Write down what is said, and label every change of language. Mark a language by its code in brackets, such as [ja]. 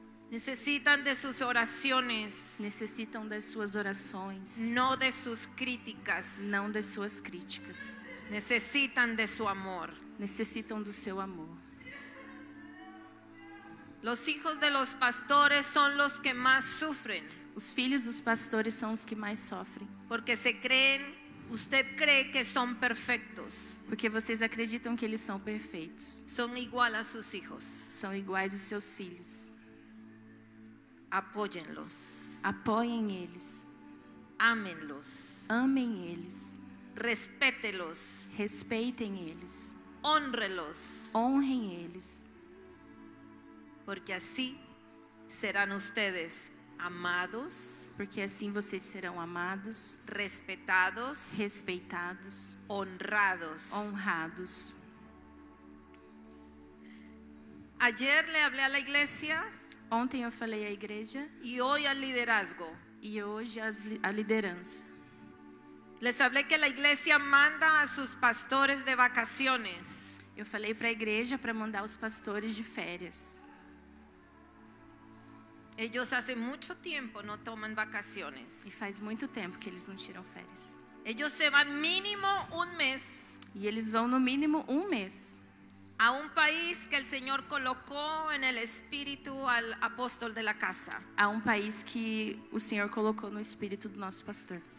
[es] Necesitan de sus oraciones. Necesitan de sus oraciones. No de sus críticas. No de sus críticas. Necesitan de su amor. Necesitan de su amor. Los hijos de los pastores son los que más sufren. [pt] Os filhos dos pastores são os que mais sofrem. [es] Porque se creem, usted cree que son perfectos. [pt] Porque vocês acreditam que eles são perfeitos. [es] Son igual a sus hijos. [pt] São iguais os seus filhos. [es] Apóyenlos. [pt] Apoiem eles. Amem-los. Amem eles. [es] Respete-los. [pt] Respeitem eles. [es] Honre-los. [pt] Honrem eles. [es] Porque así serán ustedes amados. [pt] Porque así vocês serão amados. [es] Respetados. [pt] Respeitados. [es] Honrados. [pt] Honrados. [es] Ayer le hablé a la iglesia. [pt] Ontem eu falei à igreja. [es] Y hoy al liderazgo. [pt] E hoje a liderança. [es] Les hablé que la iglesia manda a sus pastores de vacaciones. [pt] Eu falei para a igreja para mandar os pastores de férias. [es] Ellos hace mucho tiempo no toman vacaciones. [pt] Y faz muito tempo que eles não tiram férias. [es] Ellos se van mínimo un mes. [pt] E eles vão no mínimo um mês. [es] A un país que el Señor colocó en el espíritu al apóstol de la casa. [pt] A um país que o Senhor colocou no espírito do nosso pastor.